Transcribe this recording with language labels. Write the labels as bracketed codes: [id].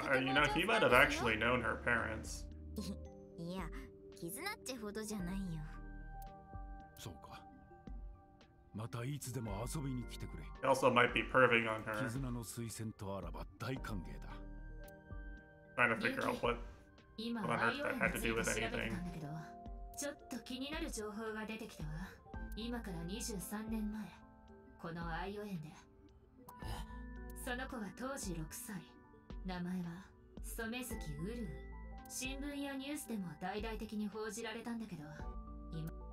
[ja] ても上手なんですよ。 [en] He might have actually known her parents. [ja] いや、キズナッチほどじゃないよ。そうか。またいつでも遊びに来てくれ。 [en] He also might be perving on her. [ja] キズナの推薦とあらば大歓迎だ。 [en] Trying to figure out what on earth that had to do with anything. [ja] ちょっと気になる情報が出てきたわ。今から23年前、このアイオエンで。その子は当時6歳。名前は、ソメズキウルウ。新聞やニュースでも大々的に報じられたんだけど、今。